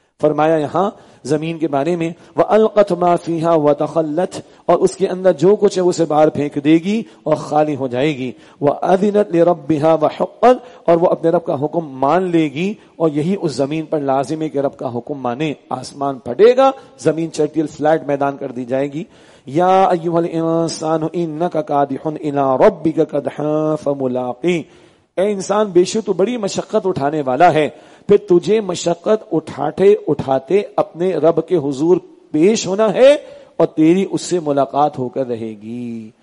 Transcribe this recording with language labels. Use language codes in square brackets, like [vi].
[ur] فرمایا یہاں زمین کے بارے میں [ar] وَأَلْقَتْ مَا فِيهَا وَتَخَلَّتْ, [ur] اور اس کے اندر جو کچھ ہے اسے باہر پھینک دے گی اور خالی ہو جائے گی. [ar] وَأَذِنَتْ لِرَبِّهَا وَحُقَّتْ, [ur] اور وہ اپنے رب کا حکم مان لے گی, اور یہی اس زمین پر لازم ہے کہ رب کا حکم مانے. آسمان پھٹے گا, زمین چٹیل فلیٹ میدان کر دی جائے گی. [ar] یا ایھا الانسان انک قادح الی ربک قدحا فملاقی, [ur] اے انسان بے شک تو بڑی مشقت اٹھانے والا ہے, پھر تجھے مشقت اٹھاتے اٹھاتے اپنے رب کے حضور پیش ہونا ہے اور تیری اس سے ملاقات ہو کر رہے گی.